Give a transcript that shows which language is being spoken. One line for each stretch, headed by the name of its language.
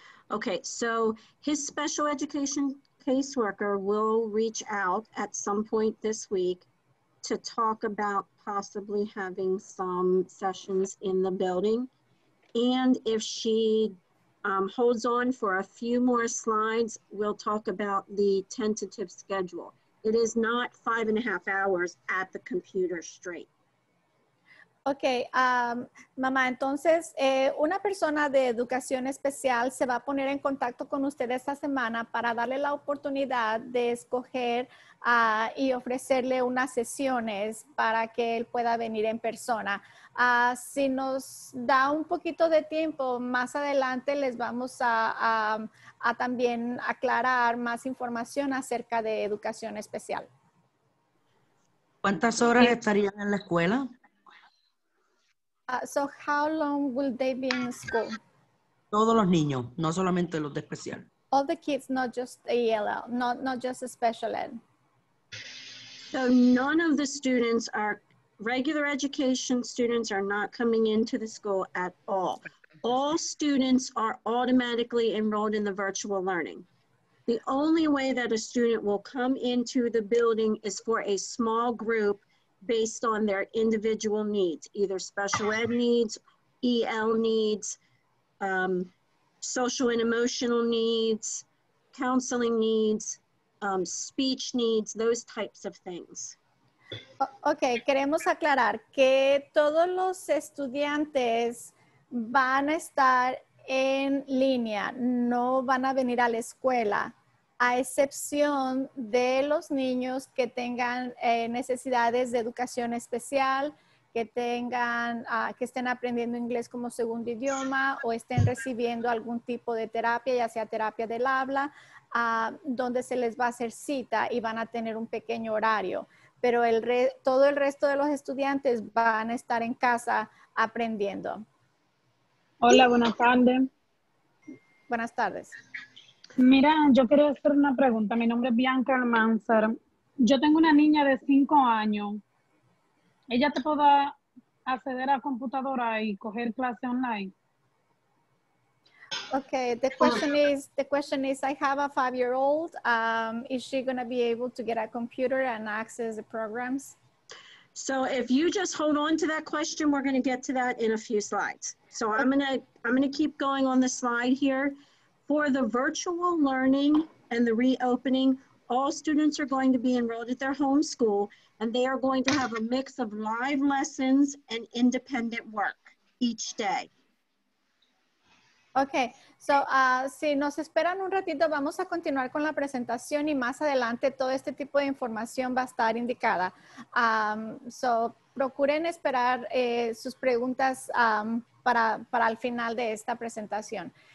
English: Okay, so his special education caseworker will reach out at some point this week to talk about possibly having some sessions in the building. And if she holds on for a few more slides, we'll talk about the tentative schedule. It is not 5.5 hours at the computer straight.
Spanish: Okay, mamá, entonces una persona de educación especial se va a poner en contacto con usted esta semana para darle la oportunidad de escoger y ofrecerle unas sesiones para que él pueda venir en persona. Si nos da un poquito de tiempo, más adelante les vamos a también aclarar más información acerca de educación especial. ¿Cuántas horas estarían en la escuela?
English: So how long will they be in school?
Spanish: Todos los niños, no solamente los de especial.
English: All the kids, not just ELL, not just a special ed. So none of the students are, regular education students are not coming into the school at all. All students are automatically enrolled in the virtual learning. The only way that a student will come into the building is for a small group based on their individual needs, either special ed needs, EL needs, social and emotional needs, counseling needs, speech needs, those types of things.
Spanish: Ok, queremos aclarar que todos los estudiantes van a estar en línea, no van a venir a la escuela, a excepción de los niños que tengan necesidades de educación especial, que tengan, que estén aprendiendo inglés como segundo idioma o estén recibiendo algún tipo de terapia, ya sea terapia del habla, donde se les va a hacer cita y van a tener un pequeño horario. Pero todo el resto de los estudiantes van a estar en casa aprendiendo. Hola, buenas tardes. Buenas tardes. Mira, yo quería hacer una pregunta. Mi nombre es Bianca Almanzar. Yo tengo una niña de 5 años. ¿Ella te podrá acceder a computadora y coger clase online?
English: Okay, the question is, I have a five-year-old. Is she going to be able to get a computer and access the programs? So if you just hold on to that question, we're going to get to that in a few slides. So I'm going to keep going on the slide here. For the virtual learning and the reopening, all students are going to be enrolled at their home school, and they are going to have a mix of live lessons and independent work each day.
Spanish: Okay, so si nos esperan un ratito, vamos a continuar con la presentación y más adelante todo este tipo de información va a estar indicada. So procuren esperar sus preguntas para el final de esta presentación.